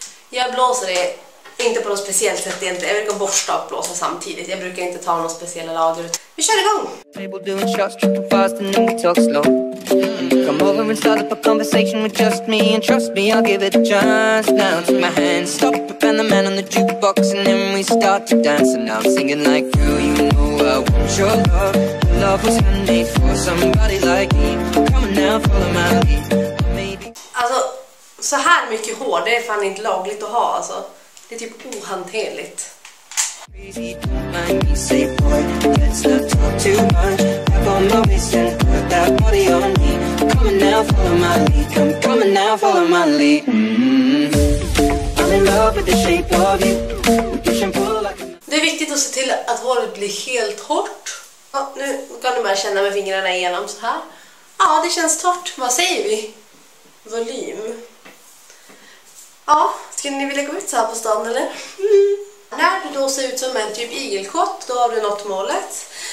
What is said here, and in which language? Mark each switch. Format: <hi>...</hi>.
<sv>Jag blåser det inte på något speciellt sätt egentligen. Jag brukar borsta och blåsa samtidigt. Jag brukar inte ta några speciella lager. Vi kör igång!</sv> <en>Table doing shots, tripping fast and then we talk slow. Come over and start up a conversation with just me, and trust me, I'll give it a chance. Now take my hand, stop and the man on the jukebox, and then we start to dance, and now I'm singing like, girl, you know I want your love. Love was handmade for somebody like me. Come on now, follow my lead. Maybe...</en> <sv>Alltså, så här mycket hår, det är fan inte lagligt att ha, alltså. Det är typ ohanterligt.</sv> <en>Crazy, don't mind me, say boy, let's not talk too much. Have on my waist and put that body on me. Come on now, follow my lead. Come, come on now, follow my lead. I'm in love with the shape of you. Push and pull like...</en> <sv>Det är viktigt att se till att håret blir helt hårt. Ja, nu kan du bara känna med fingrarna igenom så här. Ja, det känns torrt. Vad säger vi? Volym. Ja, skulle ni vilja gå ut så här på stan eller? Mm. När du då ser ut som en typ igelkott, då har du nått målet.</sv>